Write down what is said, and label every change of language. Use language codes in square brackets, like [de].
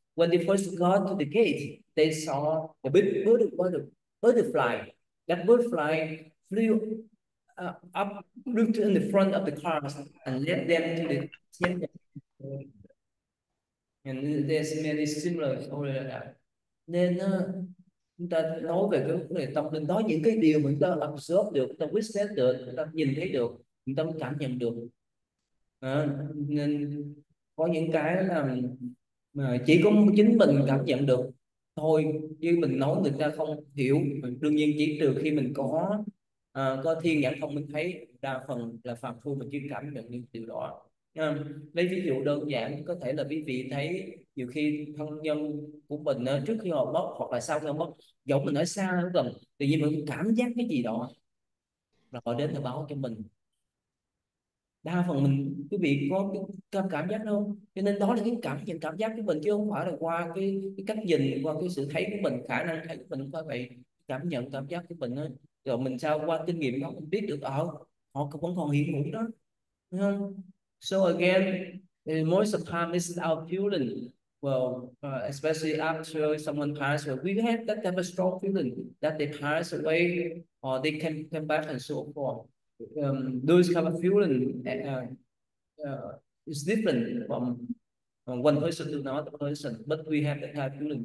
[en] When they first got to the gate, they saw a big butterfly. That butterfly flew up in the front of the cars and led them to the temple. And there's many similar stories like that. [vi] Nên chúng ta nói về cái vấn đề tâm linh đó, những cái điều mình ta [en] observe [vi] được, ta [en] witness [vi] được, ta nhìn thấy được, chúng ta cảm nhận được. Nên có những cái là mà chỉ có chính mình cảm nhận được thôi, chứ mình nói người ta không hiểu. Đương nhiên chỉ trừ khi mình có thiên nhãn thông minh thấy, đa phần là phàm phu mình chưa cảm nhận những điều đó. Lấy ví dụ đơn giản, có thể là quý vị thấy nhiều khi thân nhân của mình trước khi họ mất hoặc là sau khi họ mất, giống mình ở xa nó gần, tự nhiên mình cảm giác cái gì đó rồi họ đến họ báo cho mình. Đa phần mình quý vị có cái cảm giác không, cho nên đó là cái cảm nhận cảm giác của mình, chứ không phải là qua cái cách nhìn, qua cái sự thấy của mình, khả năng thấy của mình qua vậy, cảm nhận cảm giác của mình đó. Rồi mình sao qua kinh nghiệm đó mình biết được họ vẫn còn hiện hữu đó. [en] So again, most of the time this is our feeling. Well, especially after someone passed away, we have that type of strong feeling that they passed away or they can come back and so forth. Those kind of feeling is different from one person to another person, but we have that type of feeling.